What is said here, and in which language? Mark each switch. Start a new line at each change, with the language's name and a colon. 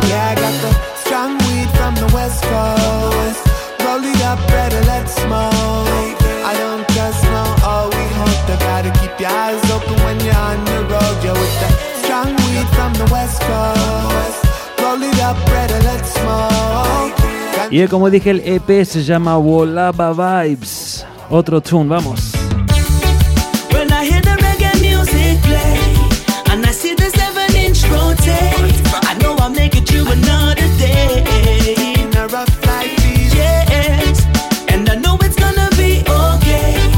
English: Yeah, I got the strong weed from the West Coast. Roll it up, better let's smoke. I don't trust no, oh, we hope that. Gotta keep your eyes open when you're on the road. Yeah, with that strong weed from the West Coast. Roll it up, better let's smoke.
Spanish: Y como dije, el EP se llama Wolaba Vibes. Otro tune, vamos.
English: When I hear the reggae music play and I see the 7-inch rotate, I know I'll make it through another day. In a rough life, please. Yes, and I know it's gonna be okay.